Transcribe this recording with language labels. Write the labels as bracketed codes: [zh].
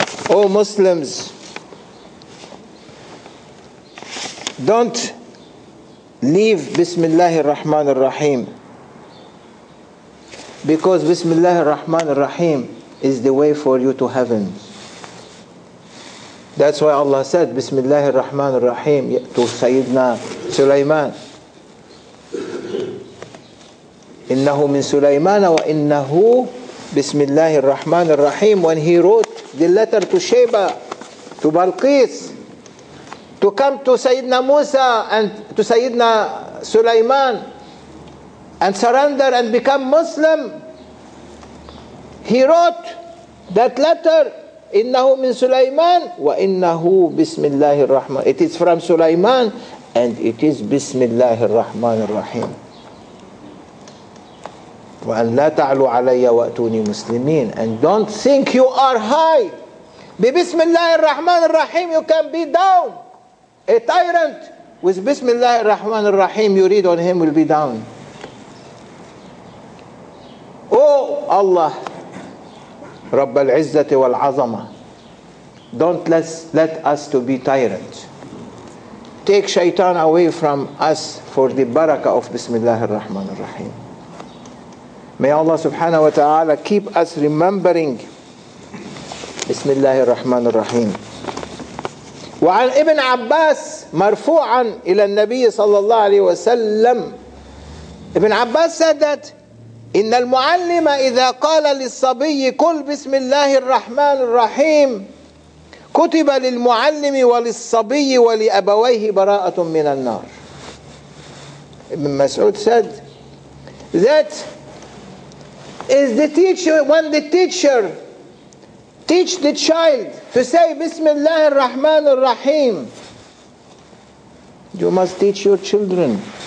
[en] Oh Muslims, don't leave Bismillah ar-Rahman ar-Rahim, because Bismillah ar-Rahman ar-Rahim is the way for you to heaven. That's why Allah said Bismillah ar-Rahman ar-Rahim to Sayyidina Sulaiman. [ar] إنه من سليمان وإنه بسم الله الرحمن الرحيم. [en] When he wrote the letter to Sheba, to Balqis, to come to Sayyidina Musa and to Sayyidina Sulaiman and surrender and become Muslim, he wrote that letter, [ar] إنه من سليمان وإنه بسم الله الرحمن. [en] It is from Sulaiman and it is [ar] بسم الله الرحمن الرحيم. وأن لا تعلوا علي وأتوني مسلمين. [en] And don't think you are high. [ar] ببسم الله الرحمن الرحيم [en] you can be down. A tyrant with [ar] بسم الله الرحمن الرحيم [en] you read on him will be down. Oh Allah, [ar] رب العزة والعظمة, [en] don't let us to be tyrant. Take shaitan away from us for the barakah of [ar] بسم الله الرحمن الرحيم. [en] May Allah subhanahu wa ta'ala keep us remembering Bismillah ar-Rahman ar-Rahim. [ar] وعن ابن عباس مرفوعا إلى النبي صلى الله عليه وسلم. ابن عباس [en] said that [ar] إن المعلم إذا قال للصبي كل بسم الله الرحمن الرحيم كتب للمعلم وللصبي ولأبويه براءة من النار. [en] ابن مسعود said that is the teacher, when the teacher teach the child to say Bismillah ar-Rahman ar-Rahim, you must teach your children.